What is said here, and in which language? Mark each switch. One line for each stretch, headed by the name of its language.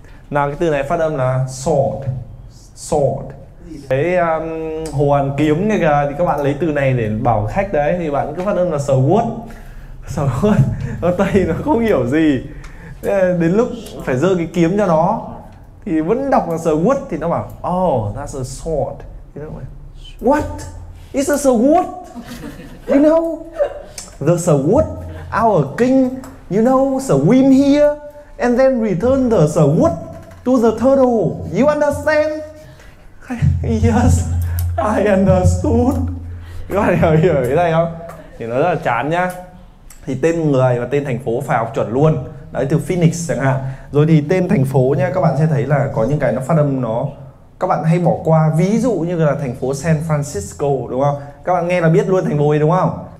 Vietnamese: Nào cái từ này phát âm là sword. Sword. Cái hồ ăn kiếm này kìa. Thì các bạn lấy từ này để bảo khách đấy. Thì bạn cứ phát âm là sword. Sword. Ở Tây nó không hiểu gì. đến lúc phải giơ cái kiếm cho nó thì vẫn đọc là sword thì nó bảo
English: oh that's a sword.
Vietnamese: Thế nó bảo,
English: what? It's a sword. You know the sword our king, you know swim here and then return the sword to the turtle. You understand? Yes, I understood.
Vietnamese: Các bạn hiểu hiểu cái này không? Thì nó rất là chán nhá. Thì tên người và tên thành phố phải học chuẩn luôn. Đấy, từ Phoenix chẳng hạn. Rồi thì tên thành phố nhá, các bạn sẽ thấy là có những cái nó phát âm nó các bạn hay bỏ qua. Ví dụ như là thành phố San Francisco, đúng không? Các bạn nghe là biết luôn thành phố ấy, đúng không?